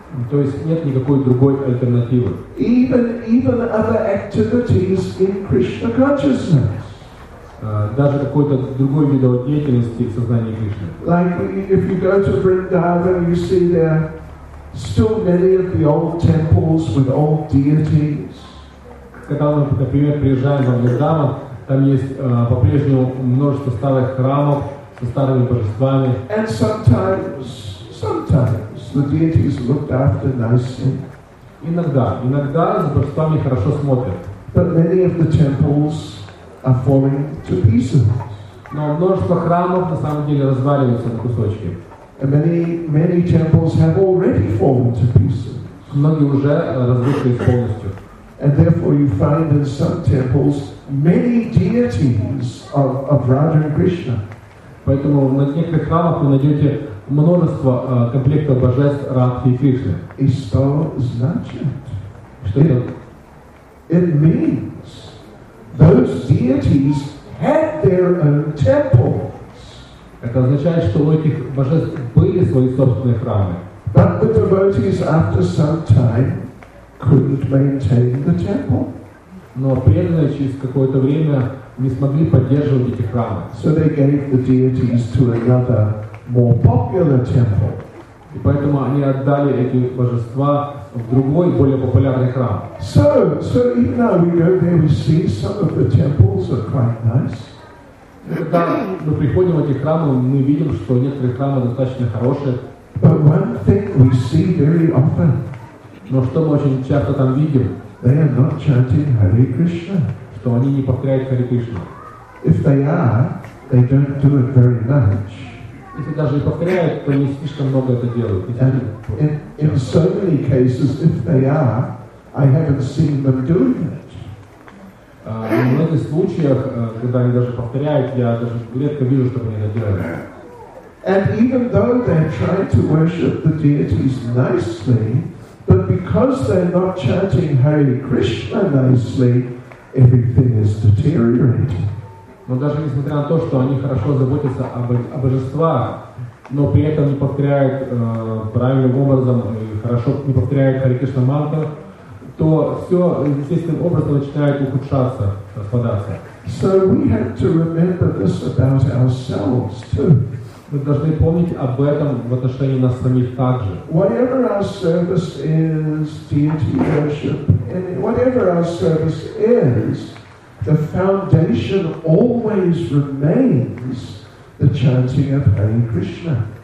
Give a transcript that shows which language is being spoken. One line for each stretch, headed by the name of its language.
Russian: То есть нет никакой другой альтернативы.
English: Even other activities in Krishna consciousness.
Russian: Даже какой-то другой вид деятельности в сознании Кришны.
English: Like if you go to Vrindavan, you see there still many of the old temples with old deities.
Russian: Когда мы, например, приезжаем во Вриндаван, там есть по-прежнему множество старых храмов со старыми божествами.
English: And sometimes the deities looked after nicely.
Russian: Иногда за божествами хорошо смотрят.
English: But many of the temples are falling to pieces.
Russian: Но множество храмов на самом деле разваливаются на кусочки.
English: And many temples have already fallen to pieces.
Russian: Многие уже разрушились полностью.
English: And therefore you find in some temples many deities of Radha and Krishna.
Russian: Поэтому на некоторых храмах вы найдете множество комплектов божеств Радхи и Кришны. И что значит? Что это?
English: It means those deities had their own temples.
Russian: Это означает, что у этих божеств были свои собственные храмы.
English: But the devotees after some time couldn't maintain the temple.
Russian: Но преданные через какое-то время не смогли поддерживать эти храмы.
English: So they gave the deities to another more popular temple.
Russian: И поэтому они отдали эти божества в другой, более популярный храм.
English: So even though we go there, we see some of the temples are quite nice.
Russian: Когда мы приходим в эти храмы, мы видим, что некоторые храмы достаточно хорошие.
English: But one thing we see very often.
Russian: Но что мы очень часто там видим?
English: They are not chanting Hare Krishna.
Russian: Что они не повторяют Харе Кришну.
English: If they are, they don't do it very much.
Russian: Если даже и повторяют, то не слишком много это делают.
English: In so many cases, if they are, I haven't seen them doing it.
Russian: В многих случаях, когда они даже повторяют, я даже редко вижу, чтобы они это делали.
English: And even though they're trying to worship the deities nicely, but because they're not chanting Hare Krishna nicely, everything is deteriorating.
Russian: Но даже несмотря на то, что они хорошо заботятся о божествах, но при этом не повторяют правильным образом и хорошо не повторяют Харе Кришна мантру, то все естественным образом начинает ухудшаться, распадаться.
English: So we have to remember this about ourselves too.
Russian: Мы должны помнить об этом в отношении нас самих также.
English: Whatever our service is, deity worship, whatever our service is, the foundation always remains the chanting of Hare Krishna.